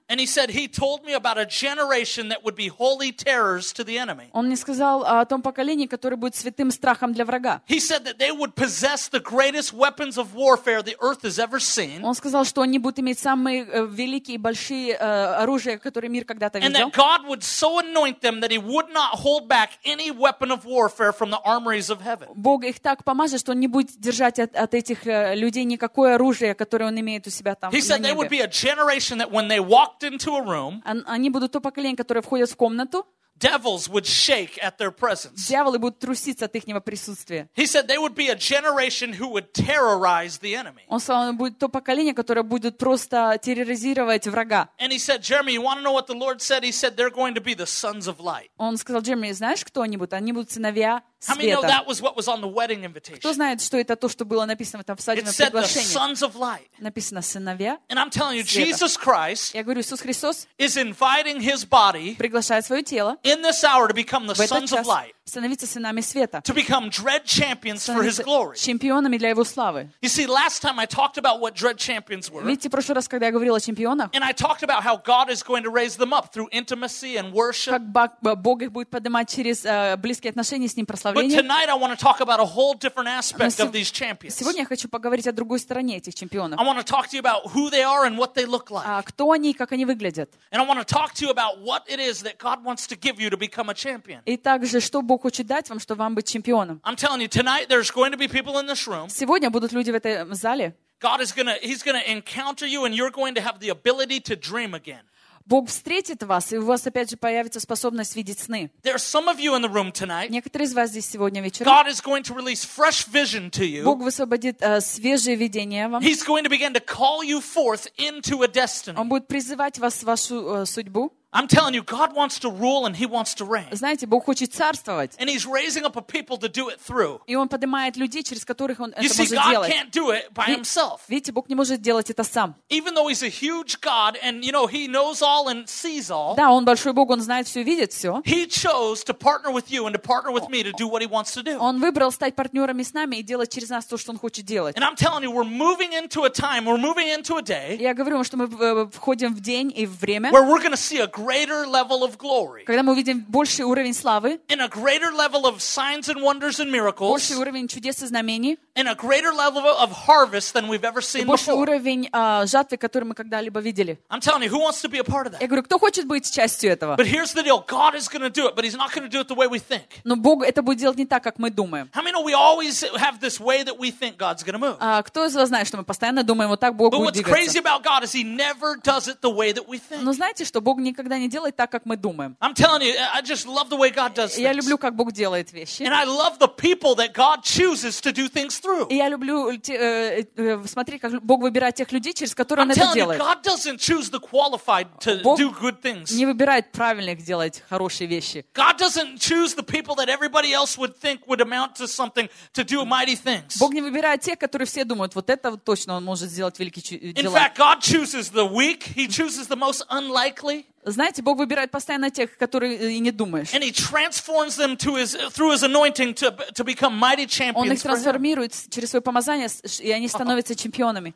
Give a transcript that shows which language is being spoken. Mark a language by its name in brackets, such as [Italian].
[English] And he said he told me about a generation that would be holy terrors to the enemy. [Russian] Он мне сказал о том поколении, которое будет святым страхом для врага. [English] He said that they would possess the greatest weapons of warfare the earth has ever seen. [Russian] Он сказал, что они будут иметь самые великие и большие оружия, которые мир когда-то видел. [English] And that God would so anoint them that he would not hold back any weapon of warfare from the armories of heaven. [Russian] Бог их так помазал, что он не будет держать от этих людей никакое оружие, которое он имеет у себя там. [English] He said they would be a generation that when they walked into a room, [Russian] они будут то поколение, которое входит в комнату, [English] devils would shake at their presence. [Russian] Дьяволы будут труситься от ихнего присутствия. [English] He said they would be a generation who would terrorize the enemy. [Russian] Он сказал, они будут то поколение, которое будет просто терроризировать врага. [English] And he said, Jeremy, you want to know what the Lord said? He said they're going to be the sons of light. [Russian] Он сказал, Джереми, знаешь, кто они будут? Они будут сыновья света. [English] How many know that was what was on the wedding invitation? [Russian] Кто знает, что это то, что было написано там в свадебном приглашении? [English] It said the sons of light. [Russian] Написано сыновья. [English] And I'm telling you, Jesus Christ. [Russian] Я говорю, Иисус Христос. [English] Is inviting his body. [Russian] Приглашает свое тело. [English] In this hour to become the sons of light. [Russian] Становиться сынами света. [English] To become dread champions for his glory. [Russian] Чемпионами для его славы. [English] You see, last time I talked about what dread champions were. [Russian] Видите, в прошлый раз, когда я говорила о чемпионах. [English] And I talked about how God is going to raise them up through intimacy and worship. [Russian] Как Бог их будет поднимать через близкие отношения с ним, прославление. [English] But tonight I want to talk about a whole different aspect of these champions. [Russian] Сегодня я хочу поговорить о другой стороне этих чемпионов. [English] I want to talk to you about who they are and what they look like. [Russian] Кто они и как они выглядят. [English] And I want to talk to you about what it is that God wants to give you to become a champion. [Russian] И также, что Бог хочет дать вам, чтобы вам быть чемпионом. [English] I'm telling you, tonight there's going to be people in this room. [Russian] Сегодня будут люди в этом зале. [English] God is gonna, he's gonna encounter you, and you're going to have the ability to dream again. [Russian] Бог встретит вас, и у вас опять же появится способность видеть сны. [English] There are some of you in the room tonight. [Russian] Некоторые из вас здесь сегодня вечером. [English] God is going to release fresh vision to you. [Russian] Бог высвободит свежее видение вам. [English] He's going to begin to call you forth into a destiny. [Russian] Он будет призывать вас в вашу судьбу. [English] I'm telling you, God wants to rule and He wants to reign. [Russian] Знаете, Бог хочет царствовать. [English] And He's raising up a people to do it through. [Russian] И Он поднимает людей, через которых Он это [English] you [Russian] может [English] see, [Russian] делать. [English] You see, God can't do it by Himself. [Russian] Видите, Бог не может делать это сам. [English] Even though He's a huge God and you know He knows all and sees all. [Russian] Да, Он большой Бог, Он знает все, видит все. [English] He chose to partner with you and to partner with me to do what He wants to do. [Russian] Он выбрал стать партнерами с нами и делать через нас то, что Он хочет делать. [English] And I'm telling you, we're moving into a time, we're moving into a day. [Russian] Я говорю вам, что мы входим в день и в время. [English] Where we're going to see a greater level of glory. [Russian] Когда мы увидим больший уровень славы. [English] In a greater level of signs and wonders and miracles. [Russian] Больший уровень чудес и знамений. [English] In a greater level of harvest than we've ever seen [Russian] больший [English] before. [Russian] Уровень жатвы, который мы когда-либо видели. [English] I'm telling you, who wants to be a part of that? [Russian] Я говорю, кто хочет быть частью этого? [English] But here's the deal. God is going to do it, but he's not going to do it the way we think. [Russian] Но Бог это будет делать не так, как мы думаем. [English] How many know we always have this way that we think God's going to move? [Russian] Кто из вас знает, что мы постоянно думаем вот так, Бог будет [English] But what's crazy about God is he never does it the way that we think. [Russian] Но знаете, что Бог никогда не делает так, как мы думаем. [English] I'm telling you, I just love the way God does things. [Russian] Я люблю, как Бог делает вещи. [English] And I love the people that God chooses to do things through. [Russian] И я люблю смотреть, как Бог выбирает тех людей, через которые Он это делает. [English] God doesn't choose the qualified to do good things. [Russian] Не выбирает правильных делать хорошие вещи. [English] God doesn't choose the people that everybody else would think would amount to something to do mighty things. [Russian] Бог не выбирает тех, которые все думают, вот это точно Он может сделать великие дела. [English] In fact, God chooses the weak. He chooses the most unlikely. [Russian] Знаете, Бог выбирает постоянно тех, которые и не думаешь. [English] And he transforms them to his, through his anointing to become mighty champions. [Russian] Он их трансформирует через свое помазание, и они становятся чемпионами.